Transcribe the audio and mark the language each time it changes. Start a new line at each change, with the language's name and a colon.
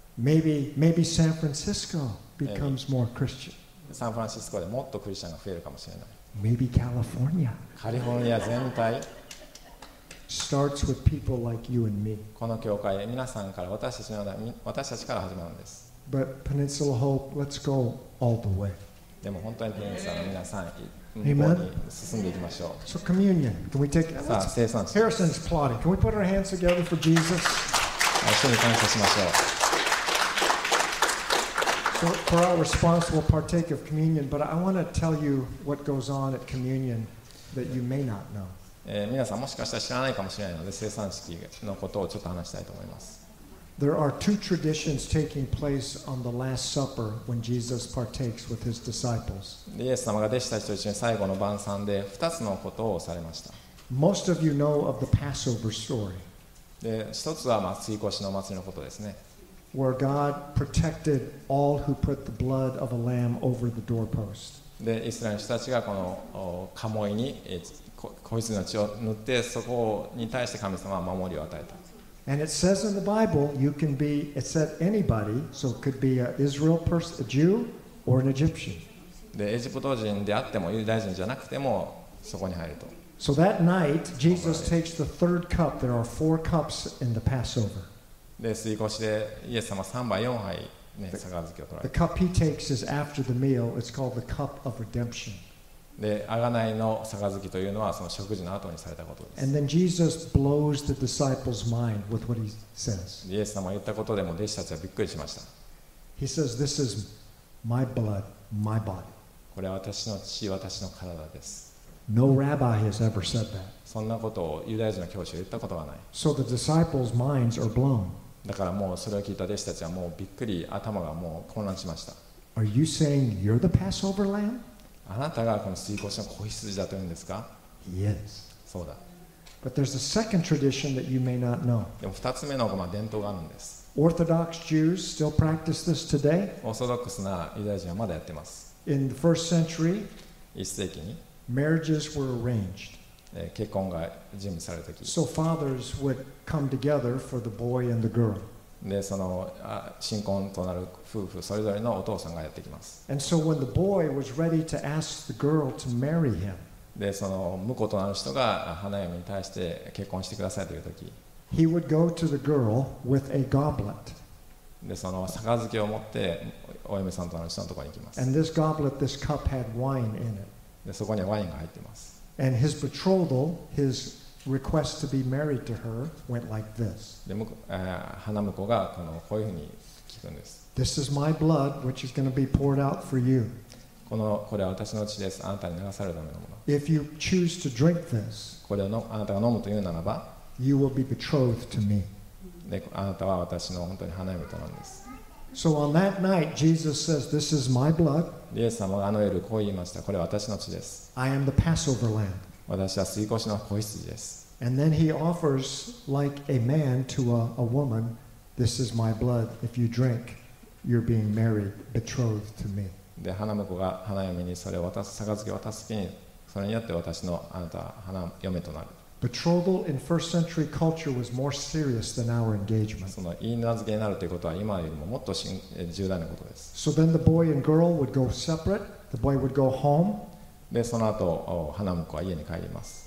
English: Maybe San Francisco becomes more Christian.
Japanese: サンフランシスコでもっとクリスチャンが増えるかもしれない。
English: Maybe California.
Japanese: カリフォルニア全体。
English: Starts with people like you and me.
Japanese: この教会、皆さんから私たちの、私たちから始まるんです。
English: But Peninsula Hope, let's go all the way.
Japanese: でも本当にペニンスラの皆さん、向こうに進んでいきましょう。
English: So communion, can we take?
Japanese: さあ、聖餐式。
English: Harrison's plotting. Can we put our hands together for Jesus?
Japanese: 一緒に感謝しましょう。
English: For our response, we'll partake of communion. But I want to tell you what goes on at communion that you may not know.
Japanese: 皆さんもしかしたら知らないかもしれないので、聖餐式のことをちょっと話したいと思います。
English: There are two traditions taking place on the Last Supper when Jesus partakes with his disciples.
Japanese: イエス様が弟子たちと一緒に最後の晩餐で二つのことをされました。
English: Most of you know of the Passover story.
Japanese: 一つはまあ追越しの祭りのことですね。
English: Where God protected all who put the blood of a lamb over the doorpost.
Japanese: で、イスラエルの人たちがこの鴨居に子羊の血を塗って、そこに対して神様は守りを与えた。
English: And it says in the Bible, you can be, it said anybody, so it could be an Israel person, a Jew, or an Egyptian.
Japanese: で、エジプト人であっても、ユダヤ人じゃなくても、そこに入ると。
English: So that night, Jesus takes the third cup. There are four cups in the Passover.
Japanese: で水越しでイエス様3杯4杯ね杯を取られた。
English: The cup he takes is after the meal. It's called the cup of redemption.
Japanese: で贖いの杯というのはその食事の後にされたことです。
English: And then Jesus blows the disciples' mind with what he says.
Japanese: イエス様が言ったことでも弟子たちはびっくりしました。
English: He says, "This is my blood, my body."
Japanese: これは私の血、私の体です。
English: No rabbi has ever said that.
Japanese: そんなことをユダヤ人の教師は言ったことはない。
English: So the disciples' minds are blown.
Japanese: だからもうそれを聞いた弟子たちはもうびっくり、頭がもう混乱しました。
English: Are you saying you're the Passover lamb?
Japanese: あなたがこの水越しの子羊だというんですか?
English: Yes.
Japanese: そうだ。
English: But there's a second tradition that you may not know.
Japanese: でも二つ目の伝統があるんです。
English: Orthodox Jews still practice this today.
Japanese: オーソドックスなユダヤ人はまだやってます。
English: In the first century,
Japanese: 一世紀に。
English: Marriages were arranged.
Japanese: 結婚が準備されたとき。
English: So fathers would come together for the boy and the girl.
Japanese: で、その新婚となる夫婦それぞれのお父さんがやってきます。
English: And so when the boy was ready to ask the girl to marry him.
Japanese: で、その婿となる人が花嫁に対して結婚してくださいというとき。
English: He would go to the girl with a goblet.
Japanese: で、その杯を持ってお嫁さんとなる人のところに行きます。
English: And this goblet, this cup had wine in it.
Japanese: でそこにはワインが入っています。
English: And his betrothal, his request to be married to her went like this.
Japanese: で、花婿がこのこういうふうに聞くんです。
English: This is my blood, which is going to be poured out for you.
Japanese: このこれは私の血です。あなたに流されるためのもの。
English: If you choose to drink this,
Japanese: これをのあなたが飲むというならば、
English: you will be betrothed to me.
Japanese: で、あなたは私の本当に花婿となんです。
English: So on that night, Jesus says, "This is my blood."
Japanese: イエス様はあの夜こう言いました。これは私の血です。
English: I am the Passover lamb.
Japanese: 私は水越の子羊です。
English: And then he offers, like a man to a woman, "This is my blood. If you drink, you're being married, betrothed to me."
Japanese: で花婿が花嫁にそれを渡す杯を渡す時にそれによって私のあなたは花嫁となる。
English: Betrothal in first century culture was more serious than our engagement.
Japanese: その言い名付けになるということは今よりももっと重大なことです。
English: So then the boy and girl would go separate. The boy would go home.
Japanese: でその後花婿は家に帰ります。